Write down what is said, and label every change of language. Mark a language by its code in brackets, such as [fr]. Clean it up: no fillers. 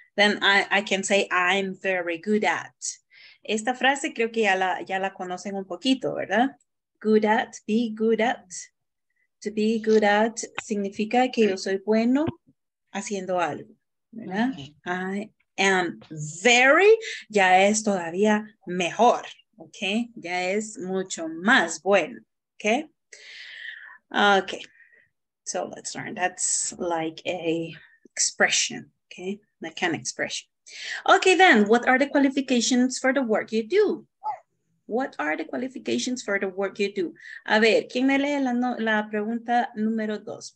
[en] Then I can say I'm very good at. [es] Esta frase creo que ya la conocen un poquito, ¿verdad? [en] Good at, be good at. [es] To be good at significa que yo soy bueno haciendo algo, ¿verdad? [en] I am very, [es] ya es todavía mejor, ¿ok? Ya es mucho más bueno, ¿ok? [en] Okay, so let's learn. That's like a expression, ¿ok? Like an expression. Okay, then, what are the qualifications for the work you do? What are the qualifications for the work you do? [es] A ver, ¿quién me lee la pregunta número dos?